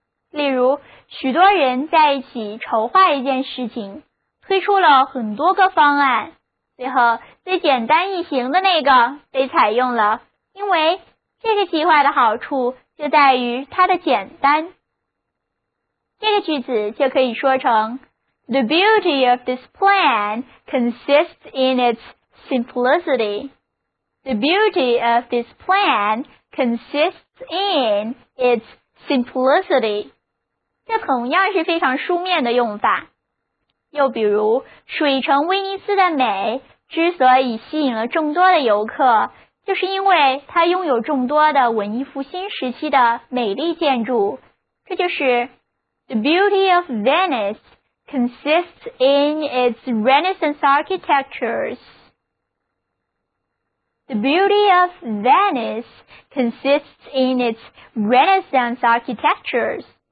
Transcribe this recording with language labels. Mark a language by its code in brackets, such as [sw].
[zh] 例如，许多人在一起筹划一件事情，推出了很多个方案，最后最简单易行的那个被采用了，因为这个计划的好处就在于它的简单。这个句子就可以说成 [en] The beauty of this plan consists in its simplicity. The beauty of this plan consistsin its simplicity， [zh] 这同样是非常书面的用法。又比如，水城威尼斯的美之所以吸引了众多的游客，就是因为它拥有众多的文艺复兴时期的美丽建筑。这就是 [en] The beauty of Venice consists in its Renaissance architectures. The beauty of Venice consists in its Renaissance architectures.